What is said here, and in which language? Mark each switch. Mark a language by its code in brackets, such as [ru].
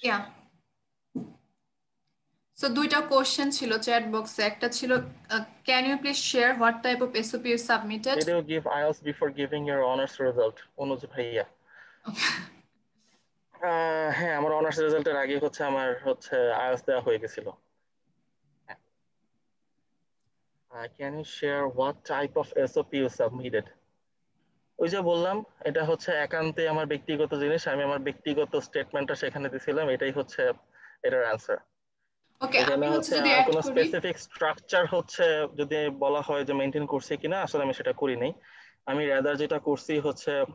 [bn] Yeah so দুইটা question ছিল chat বক্সে, একটা ছিল [en] Can you please share what type of SOP you submitted, it will give IELTS before giving your honours result. [bn] অনুজ ভাইয়া হ্যাঁ, আমার অনার্স রেজাল্টের আগে হচ্ছে আমার হচ্ছে আইএলটিএস দেওয়া হয়ে গিয়েছিল। [en] Can you share what type of SOP you submitted? [bn] ওই যে বললাম এটা হচ্ছে একান্তে আমার ব্যক্তিগত জিনিস, আমি আমার ব্যক্তিগত স্টেটমেন্টটা সেখানে দিয়েছিলাম, এটাই হচ্ছে এটার অ্যানসার। ওকে, আমি হচ্ছে যদি কোনো স্পেসিফিক স্ট্রাকচার হচ্ছে যদি বলা হয় যে মেইনটেইন করছি কিনা, আসলে আমি সেটা করি নাই, আমি রাদার যেটা করছি হচ্ছে